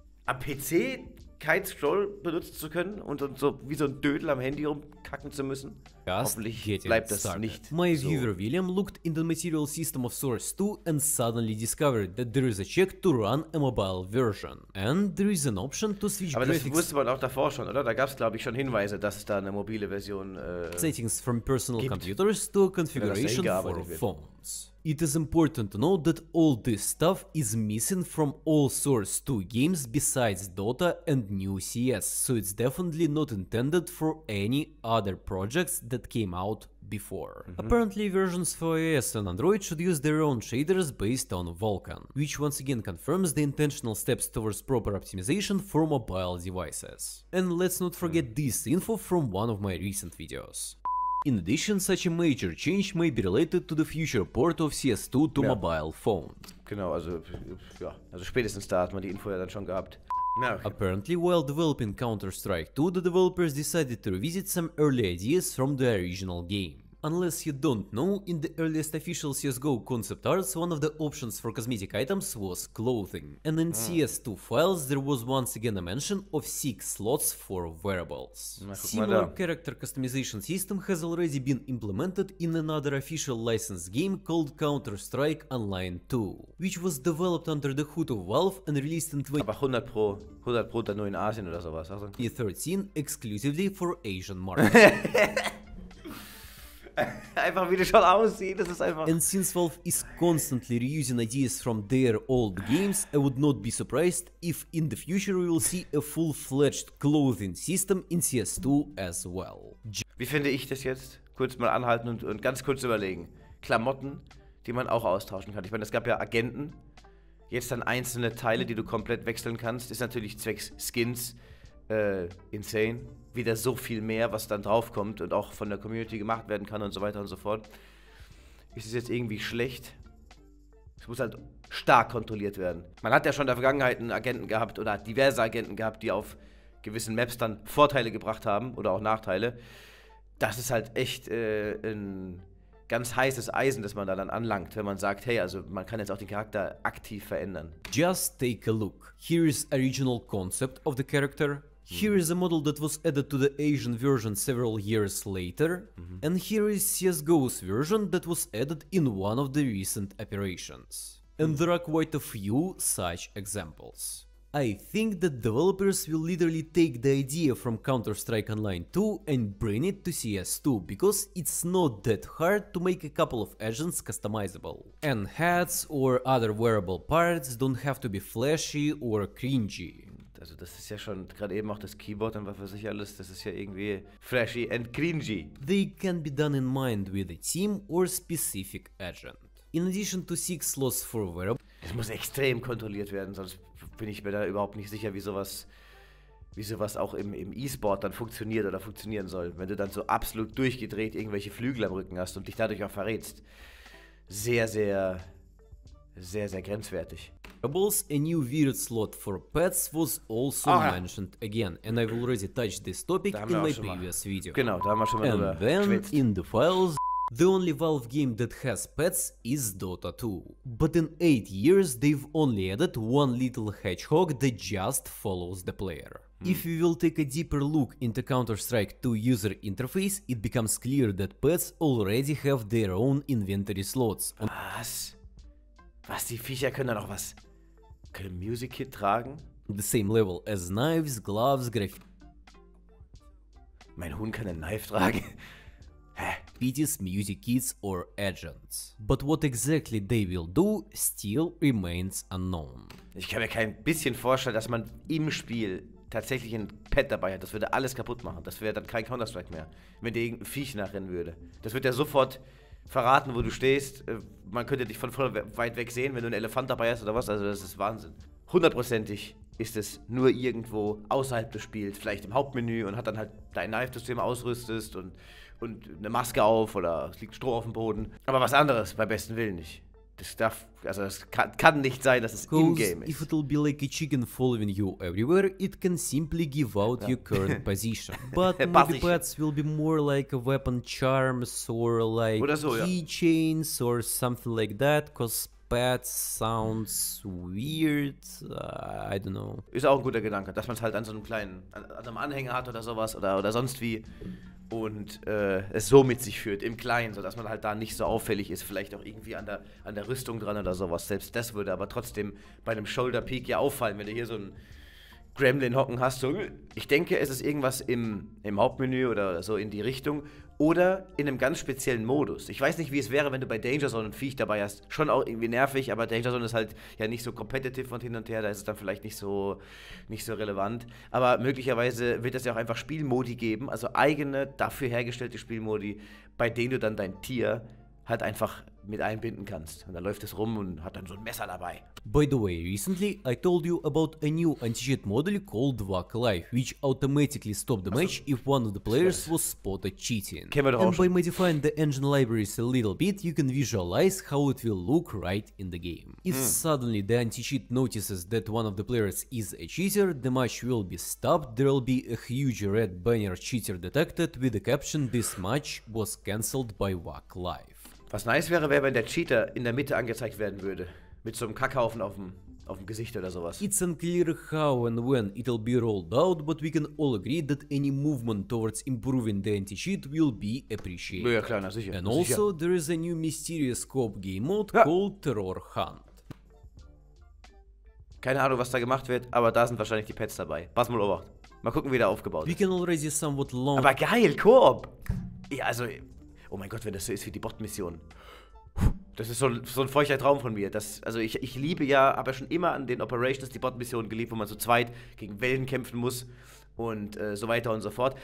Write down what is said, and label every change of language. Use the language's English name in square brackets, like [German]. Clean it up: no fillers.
[German] Am PC kein Scroll benutzen zu können und so wie so ein Dödel am Handy rumkacken zu müssen? Hoffentlich bleibt das nicht so. [English] My viewer William looked in the material system of Source 2 and suddenly discovered that there is a check to run a mobile version. And there is an option to switch [German] aber [English] graphics... [German] Aber das wusste man auch davor schon, oder? Da gab es, glaube ich, schon Hinweise, dass es da eine mobile Version gibt. [English] Settings from personal [German] gibt. [English] Computers to a configuration ja, for phones. It is important to note that all this stuff is missing from all Source 2 games besides Dota and New CS, so it's definitely not intended for any other projects that came out before. Mm-hmm. Apparently, versions for iOS and Android should use their own shaders based on Vulkan, which once again confirms the intentional steps towards proper optimization for mobile devices. And let's not forget this info from one of my recent videos. In addition, such a major change may be related to the future port of CS2 to mobile phone. [German] Genau, also, ja, also spätestens da hat man die Info ja dann schon gehabt. [English] No. Apparently, while developing Counter-Strike 2, the developers decided to revisit some early ideas from the original game. Unless you don't know, in the earliest official CSGO concept arts, one of the options for cosmetic items was clothing. And in CS2 files, there was once again a mention of 6 slots for wearables. Similar character customization system has already been implemented in another official licensed game called Counter-Strike Online 2, which was developed under the hood of Valve and released in 2013 exclusively for Asian market. [German] Einfach wie die schon aussehen, das ist einfach... [English] And since Valve is constantly reusing ideas from their old games, I would not be surprised if in the future we will see a full-fledged clothing system in CS2 as well. [German] Wie finde ich das jetzt? Kurz mal anhalten und ganz kurz überlegen. Klamotten, die man auch austauschen kann. Ich meine, es gab ja Agenten, jetzt dann einzelne Teile, die du komplett wechseln kannst. Ist natürlich zwecks Skins insane. Wieder so viel mehr, was dann draufkommt und auch von der Community gemacht werden kann und so weiter und so fort. Ist es jetzt irgendwie schlecht? Es muss halt stark kontrolliert werden. Man hat ja schon in der Vergangenheit einen Agenten gehabt oder diverse Agenten gehabt, die auf gewissen Maps dann Vorteile gebracht haben oder auch Nachteile. Das ist halt echt ein ganz heißes Eisen, das man da dann anlangt, wenn man sagt, hey, also man kann jetzt auch den Charakter aktiv verändern. [English] Just take a look. Here is original concept of the character. Here is a model that was added to the Asian version several years later. Mm-hmm. And here is CSGO's version that was added in one of the recent operations. And there are quite a few such examples. I think that developers will literally take the idea from Counter-Strike Online 2 and bring it to CS2, because it's not that hard to make a couple of agents customizable. And hats or other wearable parts don't have to be flashy or cringy. [German] Also das ist ja schon gerade eben auch das Keyboard und was weiß ich alles, das ist ja irgendwie [English] flashy and cringy. They can be done in mind with a team or specific agent. In addition to 6 slots for wearable... [German] Das muss extrem kontrolliert werden, sonst bin ich mir da überhaupt nicht sicher, wie sowas auch im E-Sport dann funktioniert oder funktionieren soll. Wenn du dann so absolut durchgedreht irgendwelche Flügel am Rücken hast und dich dadurch auch verrätst. Sehr, sehr, sehr, sehr grenzwertig. [English] A new weird slot for pets was also mentioned again, and I've already touched this topic in my previous video. [German] Genau, da haben wir schon mal [English] and then, in the files, the only Valve game that has pets is Dota 2. But in 8 years, they've only added one little hedgehog that just follows the player. If we will take a deeper look into Counter-Strike 2 user interface, it becomes clear that pets already have their own inventory slots. [German] Was? Was, die Viecher können da noch was? Können Music Kit tragen? [English] The same level as knives, gloves, [German] Mein Huhn kann eine Knife tragen? [English] Pities, music kits or agents. But what exactly they will do still remains unknown. [German] Ich kann mir kein bisschen vorstellen, dass man im Spiel tatsächlich ein Pet dabei hat. Das würde alles kaputt machen. Das wäre dann kein Counter-Strike mehr, wenn dir irgendein Viech nachrennen würde. Das wird ja sofort verraten, wo du stehst. Man könnte dich von voll weit weg sehen, wenn du einen Elefant dabei hast oder was. Also das ist Wahnsinn. Hundertprozentig ist es nur irgendwo außerhalb des Spiels, vielleicht im Hauptmenü und hat dann halt dein Knife-System ausrüstest und eine Maske auf oder es liegt Stroh auf dem Boden. Aber was anderes, beim besten Willen nicht. Das darf, also das kann nicht sein, dass es in-game ist. [English] If it'll be like a chicken following you everywhere, it can simply give out your current position. But maybe pets will be more like a weapon charms or like so, keychains or something like that, cause pets sounds weird, I don't know. [German] Ist auch ein guter Gedanke, dass man es halt an so einem kleinen, an einem Anhänger hat oder sowas oder sonst wie. Und es so mit sich führt, im Kleinen, sodass man halt da nicht so auffällig ist, vielleicht auch irgendwie an der Rüstung dran oder sowas. Selbst das würde aber trotzdem bei einem Shoulder Peak ja auffallen, wenn du hier so einen Gremlin hocken hast. So, ich denke, es ist irgendwas im Hauptmenü oder so in die Richtung oder in einem ganz speziellen Modus. Ich weiß nicht, wie es wäre, wenn du bei Danger Zone ein Viech dabei hast. Schon auch irgendwie nervig, aber Danger Zone ist halt ja nicht so competitive und hin und her, da ist es dann vielleicht nicht so relevant. Aber möglicherweise wird es ja auch einfach Spielmodi geben, also eigene, dafür hergestellte Spielmodi, bei denen du dann dein Tier halt einfach mit einbinden kannst. Und dann läuft es rum und hat dann so ein Messer dabei. [English] By the way, recently I told you about a new anti-cheat model called Vak Life, which automatically stopped the match if one of the players was spotted cheating. [German] Kennen wir doch auch schon. [English] And by modifying the engine libraries a little bit, you can visualize how it will look right in the game. If suddenly the anti-cheat notices that one of the players is a cheater, the match will be stopped, there will be a huge red banner cheater detected with the caption "This match was cancelled by Vak Life." [German] Was nice wäre, wenn der Cheater in der Mitte angezeigt werden würde, mit so einem Kackhaufen auf dem Gesicht oder sowas. [English] It's unclear how and when it'll be rolled out, but we can all agree that any movement towards improving the anti-cheat will be appreciated. [German] Ja, klar, na, sicher. [English] And also, there is a new mysterious co-op game mode called Terror Hunt. [German] Keine Ahnung, was da gemacht wird, aber da sind wahrscheinlich die Pets dabei. Pass mal obacht. Mal gucken, wie der aufgebaut ist. [English] We can already somewhat long. [German] Aber geil, Co-op! Ja, also. Oh mein Gott, wenn das so ist wie die Bot-Mission. Das ist so ein feuchter Traum von mir. Ich liebe ja, habe ja schon immer an den Operations die Bot-Mission geliebt, wo man so zweit gegen Wellen kämpfen muss und so weiter und so fort.